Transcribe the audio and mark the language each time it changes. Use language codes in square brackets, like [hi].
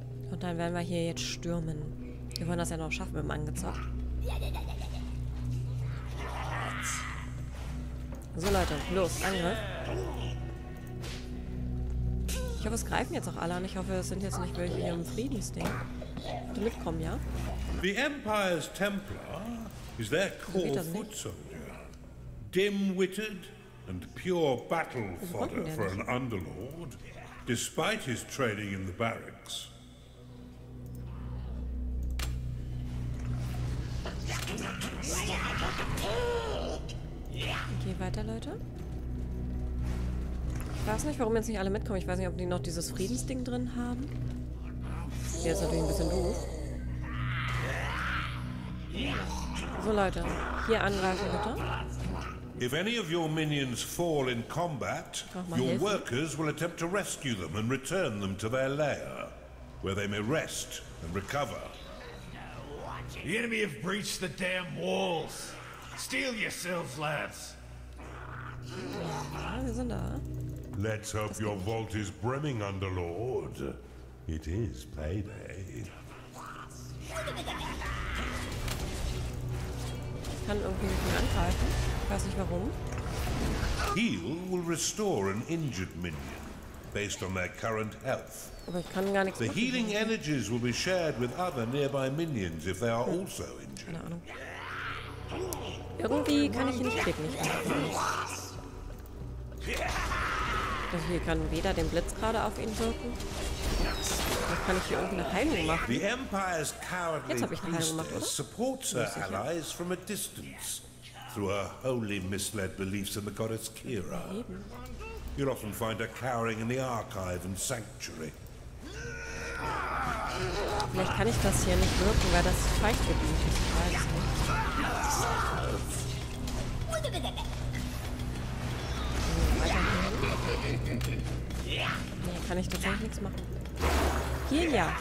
[de] Und dann werden wir hier jetzt stürmen. Wir wollen das ja noch schaffen mit dem Angezockt. So, Leute. Los, Angriff. Ich hoffe, es greifen jetzt auch alle an. Ich hoffe, es sind jetzt nicht welche hier im Friedensding. Bitte mitkommen, ja? [en] The Empire's Templar is their core foot soldier. Dim-witted. And pure battle fodder for an underlord, despite his training in the barracks. [de] Okay, weiter, Leute. Ich weiß nicht, warum jetzt nicht alle mitkommen. Ich weiß nicht, ob die noch dieses Friedensding drin haben. Der ist natürlich ein bisschen doof. So, Leute. Hier angreifen, bitte. [en] If any of your minions fall in combat, your workers will attempt to rescue them and return them to their lair, where they may rest and recover. The enemy have breached the damn walls. Steal yourselves, lads. [de] Ja, wir sind da. [en] Let's hope your vault is brimming, Underlord. It is payday. [de] Ich kann irgendwie mit ihm angreifen. Ich weiß nicht warum. [en] Heal will restore an injured minion based on their current health. [de] Aber ich kann gar nichts machen. [en] The healing energies will be shared with other nearby minions if they are also injured. [de] Keine Ahnung. Irgendwie kann ich ihn nicht klicken. Also hier kann weder den Blitz gerade auf ihn wirken. Jetzt kann ich hier irgendeine Heilung machen. [en] The Empire's cowardly priestess supports her allies from a distance through her wholly misled beliefs in the goddess Kira. You'll often find her cowering in the archive and sanctuary. [de] Vielleicht kann ich das hier nicht wirken, weil das feucht wird. Ich weiß nicht. Nee, kann ich tatsächlich nichts machen. Hier ja.